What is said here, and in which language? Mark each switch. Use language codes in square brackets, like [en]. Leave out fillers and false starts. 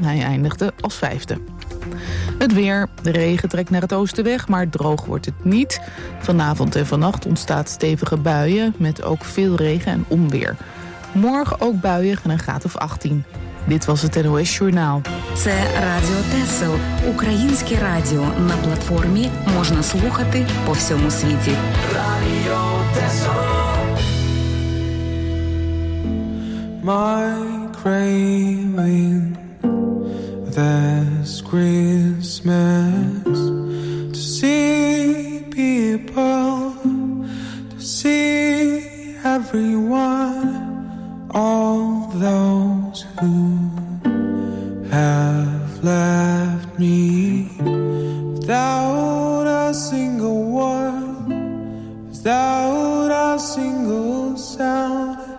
[nl] Hij eindigde als vijfde. Het weer. De regen trekt naar het oosten weg, maar droog wordt het niet. Vanavond en vannacht ontstaat stevige buien met ook veel regen en onweer. Morgen ook buien en een graad of 18. Dit was het NOS Journaal. [uk] Це радіо Тесел, українське радіо. На платформі можна слухати по всьому світі. Радіо Тесел. [en] My craving this Christmas to see people, to see everyone, all those who have left me without a single word, without a single sound.